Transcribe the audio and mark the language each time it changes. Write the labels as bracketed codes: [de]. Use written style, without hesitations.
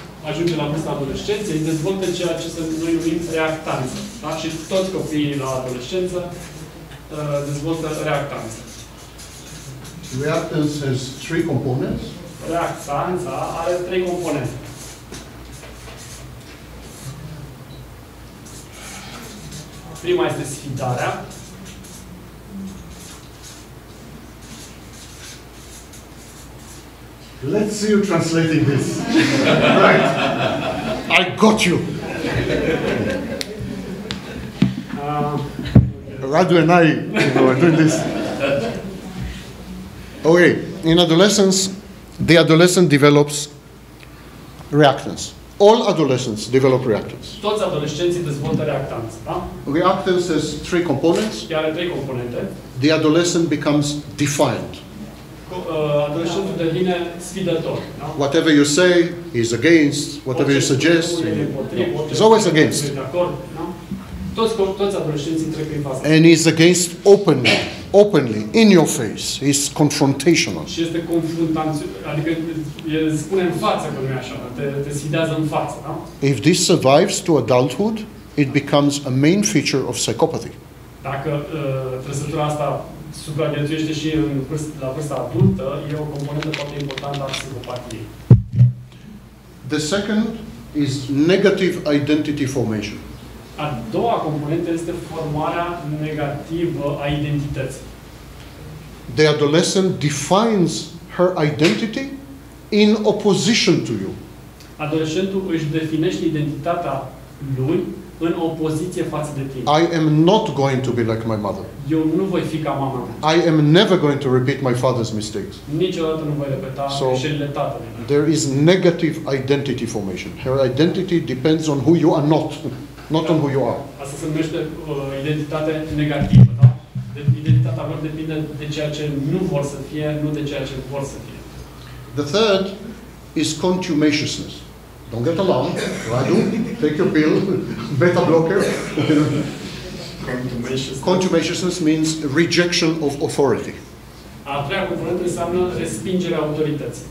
[ro] Ajunge la vârsta adolescenței, dezvoltă ceea ce să noi numim reactanță. Da? Și toți copiii la adolescență dezvoltă reactanță. [en] Reactance has three components. [ro] Reactanța are trei componente. Prima este sfidarea. [en] Let's see you translating this. Right. I got you. Radu and I, you know, are doing this. Okay, in adolescence, the adolescent develops reactance. All adolescents develop reactance. [ro] Toți adolescenții dezvoltă reactanță, da? [en] Reactance has three components. [ro] Ea are trei componente. [en] The adolescent becomes defiant. [ro] Adolescentul devine sfidător, da? [en] Whatever you say, he's against. Whatever you suggest, he's always against. [ro] Toți adolescenții trec prin faza. [en] And he's against openly, in your face. He's confrontational. [ro] Și este confruntanțional, adică el spune în față că nu e așa, te sfidează în față, da? [en] If this survives to adulthood, it becomes a main feature of psychopathy. [ro] Dacă trăsătura asta supraviețuiește și la vârsta adultă, e o componentă foarte importantă a psihopatiei. [en] The second is negative identity formation. [ro] A doua componentă este formarea negativă a identității. [en] The adolescent defines her identity in opposition to you. [ro] Adolescentul își definește identitatea lui în opoziție față de tine. [en] I am not going to be like my mother. [ro] Eu nu voi fi ca mama mea. [en] I am never going to repeat my father's mistakes. [ro] Niciodată nu voi repeta greșelile tatălui. [en] There is negative identity formation. Her identity depends on who you are not, not on who you are. [ro] Asta se numește identitate negativă, da? Identitatea lor depinde de ceea ce nu vor să fie, nu de ceea ce vor să fie. [en] The third is contumaciousness. Don't get along, Radu, take your pill, beta blocker. Contumaciousness means rejection of authority. [ro] A treia componentă înseamnă respingerea autorității.